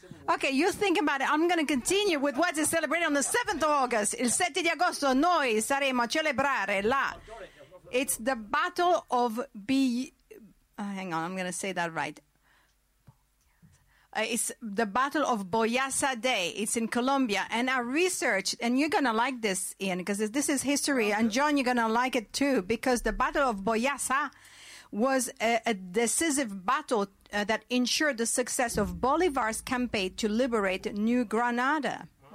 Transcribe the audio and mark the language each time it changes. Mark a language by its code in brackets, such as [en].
[en] Okay, you're thinking about it. I'm going to continue with what is celebrated on the 7th of August. [it] Il 7 di agosto noi saremo a celebrare la... [en] It's the Battle of hang on, I'm going to say that right. It's the Battle of Boyaca Day. It's in Colombia. And I researched, and you're going to like this, Ian, because this is history. And John, you're going to like it too, because the Battle of Boyaca was a decisive battle that ensured the success of Bolivar's campaign to liberate New Granada.